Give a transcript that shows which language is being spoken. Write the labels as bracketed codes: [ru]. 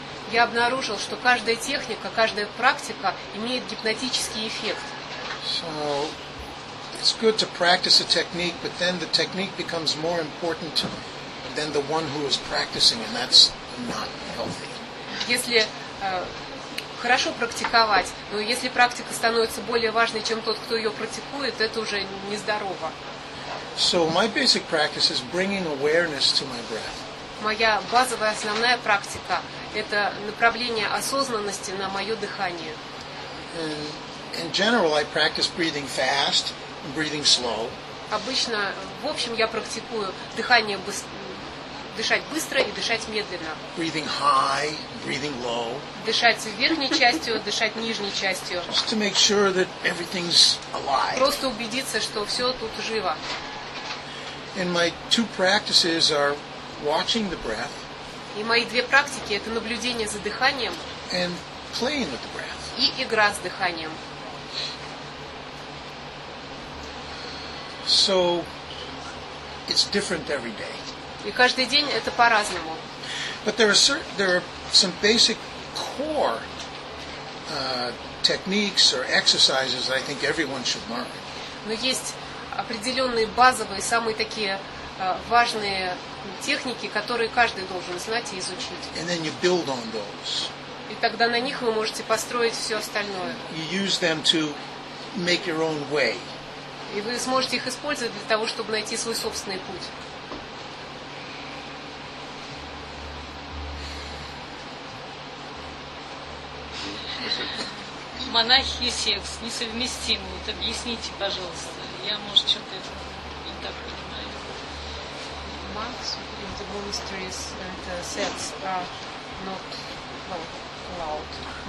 [ru] Я обнаружил, что каждая техника, каждая практика имеет гипнотический эффект. [en] So it's good to practice a technique, but then the technique becomes more important than the one who is practicing, and that's not healthy. [ru] Если хорошо практиковать, но если практика становится более важной, чем тот, кто ее практикует, это уже нездорово. [en] So my basic practice is bringing awareness to my breath. [ru] моя базовая основная практика – это направление осознанности на мое дыхание. [en] In general, I practice breathing fast and breathing slow. [ru] Обычно, в общем, я практикую дыхание дышать быстро и дышать медленно. [en] Breathing high, breathing low. [ru] Дышать верхней частью, дышать нижней частью. [en] Just to make sure that everything's alive. [ru] Просто убедиться, что все тут живо. [en] And my two practices are watching the breath. [ru] И мои две практики – это наблюдение за дыханием. [en] And playing with the breath. [ru] И игра с дыханием. [en] So it's different every day. [ru] И каждый день это по-разному. [en] But there are some basic core techniques or exercises that I think everyone should learn. [ru] Но есть определенные базовые, самые такие важные техники, которые каждый должен знать и изучить. [en] And then you build on those. [ru] И тогда на них вы можете построить все остальное. [en] You use them to make your own way. [ru] И вы сможете их использовать для того, чтобы найти свой собственный путь. Монахи и секс несовместимы. Вот объясните, пожалуйста. Я, может, что-то это не так понимаю. [en] Monks in the monasteries and sex are not allowed.